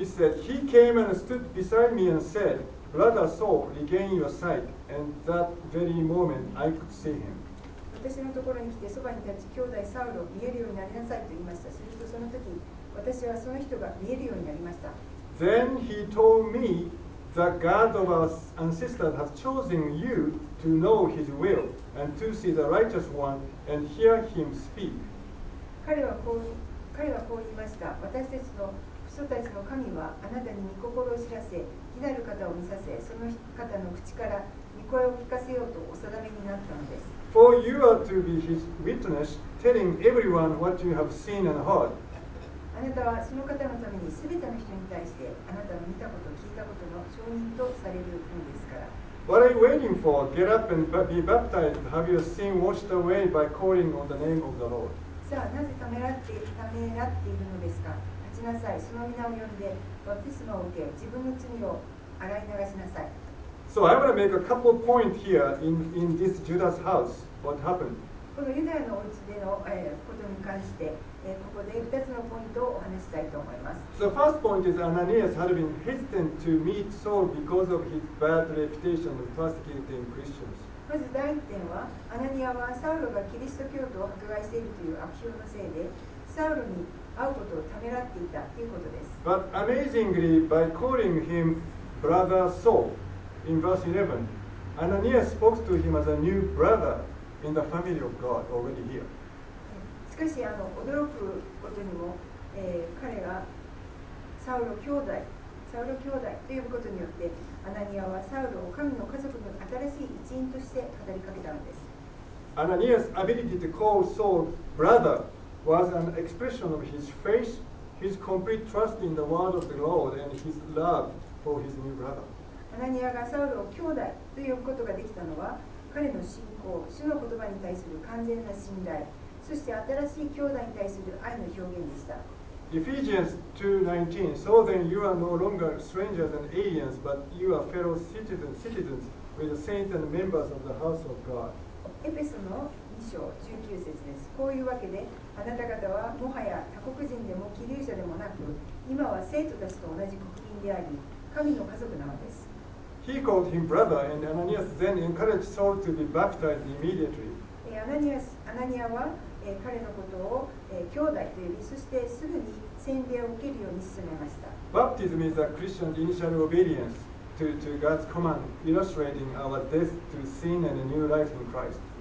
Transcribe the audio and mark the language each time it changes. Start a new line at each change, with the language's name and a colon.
English: He said, He came and stood beside me and said, Brother Saul, regain your sight. And that very moment I could see him.
Japanese: 私のところに来てそばに立ち、兄弟サウロ、見えるようになりなさいと言いました。するとその時、私はその人が見えるようになりました。
English: Then he told me, the God of our ancestors has chosen you to know his will and to see the righteous one and hear him speak.
Japanese: 彼はこう言いました。私たちの父祖たちの神はあなたに御心を知らせ、義なる方を見させ、その方の口から御声を聞かせようとお定めになったのです。
English: For you are to be his witness, telling everyone what you have seen and heard.
Japanese: あなたはその方のために全ての人に対してあなたの見たこと、聞いたことの証人とされるのですから。
English: What are you waiting for? Get up and be baptized. Have your sin washed away by calling on the name of the Lord.
Japanese: さあ、なぜためらっているのですか。立ちなさい。その名を呼んで、バプテスマを受け、自分の罪を洗い流しなさい。
English: So I want to make a couple points here in this Judah's house. What happened?
Japanese: このユダヤのお家でのことに関して、ここで2つのポイントをお話したいと思います。
English: The first point is Ananias had been hesitant to meet Saul because of his bad reputation of persecuting Christians.
Japanese: まず第1点は、アナニアはサウロがキリスト教徒を迫害しているという悪評のせいで、サウロに会うことをためらっていたということです。
English: But amazingly, by calling him Brother Saul,In verse 11, Ananias spoke to him as a new brother in the family of God already here.
Japanese: しかし、驚くことにも、彼がサウロ兄弟と呼ぶことによって、アナニアはサウロを神の家族の新しい一員として語りかけたのです。
English: Ananias' ability to call Saul brother was an expression of his faith, his complete trust in the word of the Lord, and his love for his new brother.
Japanese: アナニアがサウロを兄弟と呼ぶことができたのは、彼の信仰、主の言葉に対する完全な信頼、そして新しい兄弟に対する愛の表現でした。
English: Ephesians 2:19 So then you are no longer strangers and aliens, but you are fellow citizens with the saints and members of the house of God.
Japanese: エペソの2章19節です。こういうわけで、あなた方はもはや他国人でも寄留者でもなく、今は聖徒たちと同じ国民であり、神の家族なのです。
English: He called him brother, and Ananias then encouraged Saul to be baptized immediately.
Japanese: Ananias は彼のことを兄弟と呼び、そしてすぐに洗礼を受けるように勧めました。
English: Baptism is a Christian's initial obedience to God's command, illustrating our death to sin and a new life in Christ.